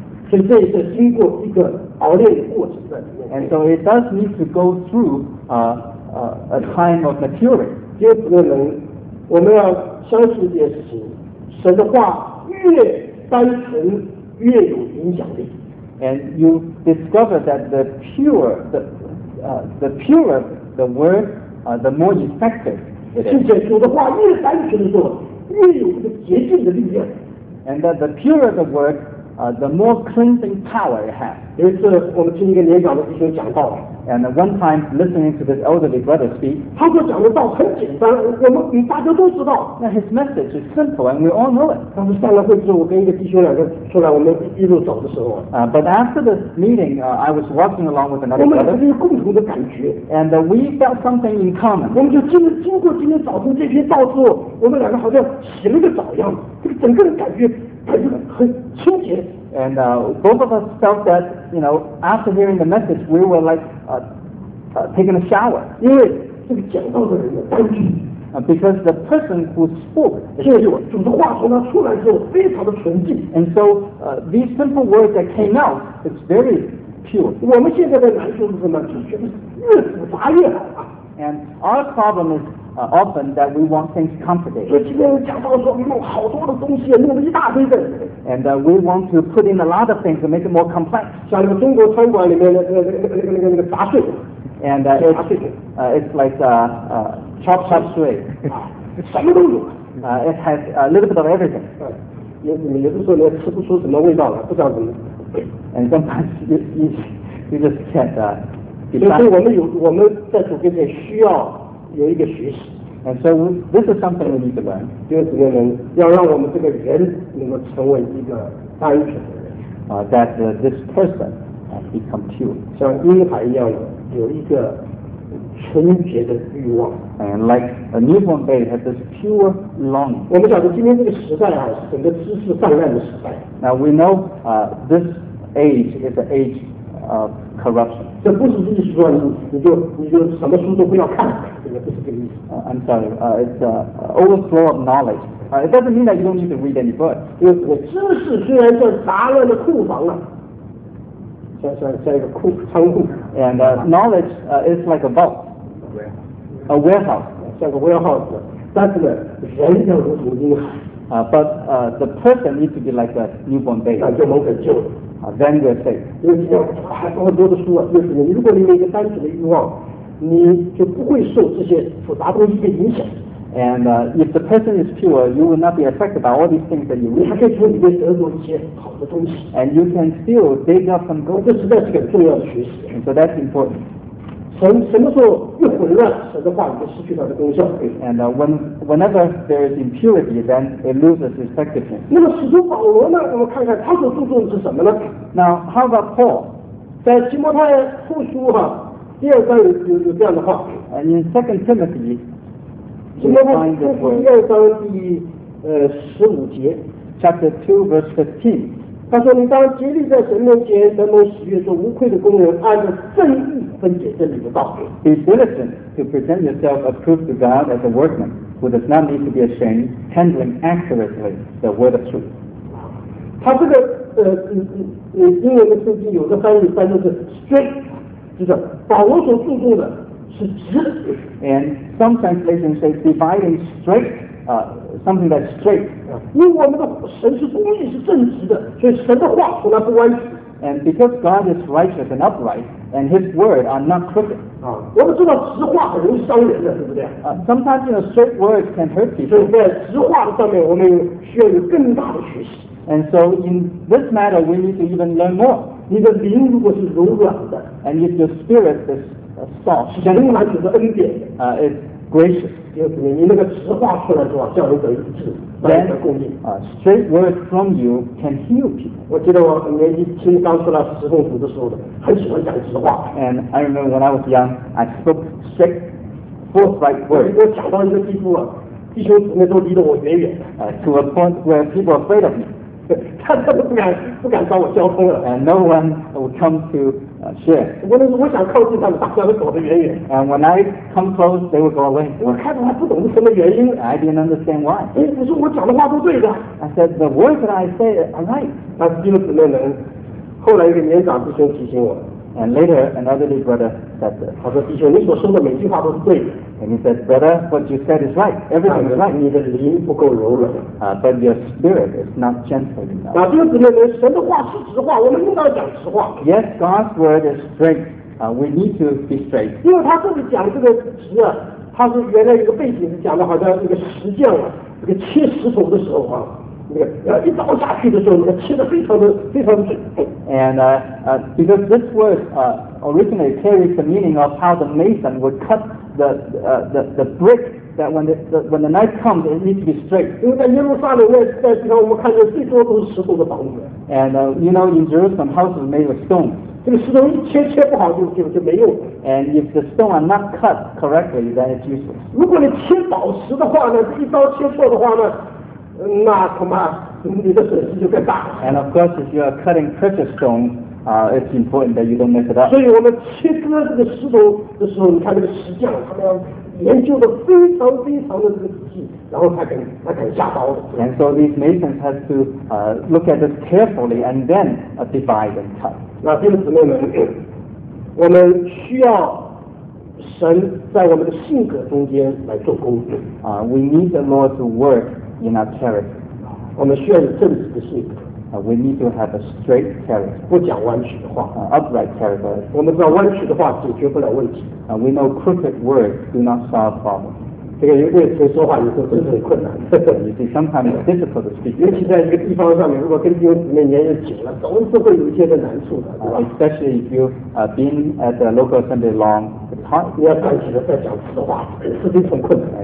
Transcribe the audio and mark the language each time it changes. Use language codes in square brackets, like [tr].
[zh] 所以这也是经过一个熬炼的过程在里面。 [en] And so it does need to go through a time of maturing. [zh] 接着呢，我们要相信一件事情，神的话越单纯越有影响力。 [en] And you discover that the purer the word, the more effective it is. [zh] 并且主的话越单纯的时候，越有这个洁净的力量。 [en] And that the purer the word,the more cleansing power it has. [zh] 有一次我们听一个年长的弟兄讲道 [en] ，and one time listening to this elderly brother speak, [zh] 他所讲的道很简单，我们大家都知道。 [en] 那 his message is simple and we all know it. [zh] 但是上了会之后，我跟一个弟兄两个出来，我们一路走的时候 [en] but after this meeting, I was walking along with another brother. [zh] 我们有一个共同的感觉 [en] ，and we felt something in common. [zh] 我们就经过今天早晨这篇道之后，我们两个好像洗了个澡一样，这个整个人感觉很清洁 [en] and both of us felt that you know after hearing the message we were like taking a shower [zh] 因为这个讲道的人的单纯 [en] because the person who spoke [zh] 借由主的话从他出来之后非常的纯净 [en] and so these simple words that came out it's very pure [zh] 我们现在的难处是什么就觉得越复杂越好 [en] and our problem isoften that we want things complicated. [zh] 所以今天我讲到说，你弄好多的东西，弄了一大堆的。 [en] And we want to put in a lot of things to make it more complex. [zh] 像那个中国餐馆里面的那个杂碎。 [en] And it's like chop suey. [zh] 什么都有。 [en] It has a little bit of everything. [zh] 有的时候连吃不出什么味道了，不知道怎么。 [en] And sometimes you just can't. [zh] 所以我们在主跟前需要。有一个学习 [en] ，and so this is something we need to learn. [zh] 就是我们要让我们这个人能够成为一个单纯的人 [en] that this person become pure. [zh] 像婴孩一样的有一个纯洁的欲望 [en] ，and like a newborn baby has this pure longing. [zh] 我们晓得今天这个时代啊，整个知识泛滥的时代。 [en] Now we know this age is an age of corruption. [zh] 这不是意思说你就什么书都不要看。 [en] I'm sorry, it's an overflow of knowledge. It doesn't mean that you don't need to read any books. [zh] 因为我知识虽然像杂乱的库房啊，像一个库仓库。 [en] And knowledge is like a vault, a warehouse. [zh] 像个 warehouse, 但是呢，人要如同婴孩。 [en] But the person needs to be like a newborn baby. [zh] 那就蒙恩救 [en] 了。Then we're safe. [zh] 因为像很多的书啊，就是你如果你有一个单纯的欲望。你就不会受这些复杂东西的影响。 [en] And if the person is pure, you will not be affected by all these things that you read. [zh] 你还可以从里面得到一些好的东西。 [en] And you can still dig up some gold. [zh] 这实在是个重要的学习。 [en] And so that's important. [zh] 什么时候越混乱，神的话语就失去它的功效。 [en] And whenever there is impurity, then it loses its effectiveness. [zh] 那么使徒保罗呢？我们看看他所注重的是什么呢 [en] ？Now how about Paul? [zh] 在提摩太后书哈。第二章有这样的话 [en] ，And in Second Timothy, [zh] 提摩太后书第二章第十五节 [en] ，Chapter 2, verse 15， [zh] 他说：“你当竭力在神面前得蒙喜悦，做无愧的工人，按照正义分解真理的道。” [en] Be diligent to present yourself approved to God as a workman who does not need to be ashamed, handling accurately the word of truth. [zh] 他这个英文的圣经有的翻译翻译是 straight。就是保罗所注重的是直 [en] ，and some translations say dividing straight, something that's straight. [zh] 因为我们的神是公义，是正直的，所以神的话从来不歪曲。 [en] And because God is righteous and upright, and His word are not crooked. [zh] 我们知道直话很容易伤人的，对不对 [en] ？Sometimes you know straight words can hurt people. [zh] 所以在直话的上面，我们需要有更大的学习。 [en] And so in this matter, we need to even learn more. [zh] 你的灵如果是柔软的 [en] ，and if your spirit is [zh] 神满足的恩典 [en] 啊、is gracious. [zh] 你那个实话出来是吧？叫人得医治，得供应 [en] 啊。Straight words from you can heal people. [zh] 我记得我年纪轻刚出来侍奉主的时候的，很喜欢讲实话。 [en] And I remember when I was young, I spoke straight, forthright words. [zh] 我讲到一个地步啊，弟兄姊妹都离得我远远。 [en] To a point where people are afraid of me. [zh] 他都不敢找我交通了。 [en] And no one will come to. Sure. [zh] 我想靠近他们，大家都躲得远远。 [en] And when I come close, they will go away. [zh] 我开始还不懂是什么原因。 [en] I didn't understand why. [zh] 我说我讲的话都对的。 [en] I said the words that I said are right. [zh] 但是弟兄姊妹们，后来一个年长弟兄提醒我。 [en] And later, another little brother said this. 他说弟兄，你所说的每句话都是对的。 And he said, brother, what you said is right. Everything is right. [zh] 你的灵不够柔软。 [en] But your spirit is not gentle enough. [zh] 那弟兄姊妹们，神的话是实话，我们应当讲实话。 [en] Yes, God's word is straight. We need to be straight. [zh] 因为他这里讲这个职啊，他是原来一个背景是讲的好像那个石匠啊，那个切石头的时候啊，那个一刀下去的时候，那个切得非常的准。 [en] And because this word originally carries the meaning of how the mason would cut. The brick that when the knife comes, it needs to be straight. [zh] 因为在耶路撒冷那地方，我们看见最多都是石头的房子。 [en] And you know, in Jerusalem, houses made of stone. [zh] 这个石头一切不好就没用。 [en] And if the stone are not cut correctly, then it's useless. [zh] 如果你切宝石的话呢，一刀切错的话呢，那恐怕你的损失就更大。 [en] And of course, if you are cutting precious stone. It's important that you don't mess it up. [zh] 所以我们切割这个石头的时候，你看这个石匠，他们要研究的非常的这个仔细，然后才敢下刀的。 [en] And so these masons have to look at it carefully and then divide and cut. [zh] 那弟兄姊妹们，我们需要神在我们的性格中间来做工作。 [en] We need the Lord to work in our character. [zh] 我们需要有正直的性格。 [en] We need to have a straight character. [zh] 不讲弯曲的话。 [en] Upright character. [zh] 我们知道弯曲的话解决不了问题。 [en] We know crooked words do not solve problems. [zh] 这个为谁说话有时候真的很困难。 [en] You see, sometimes it's difficult to speak. [zh] 尤其在一个地方上面，如果跟弟兄姊妹年龄紧了，总是会有一些的难处的。 [en] Especially if you been at the local assembly long, it's hard. [zh] 你要站起来再讲实话，是非常困难。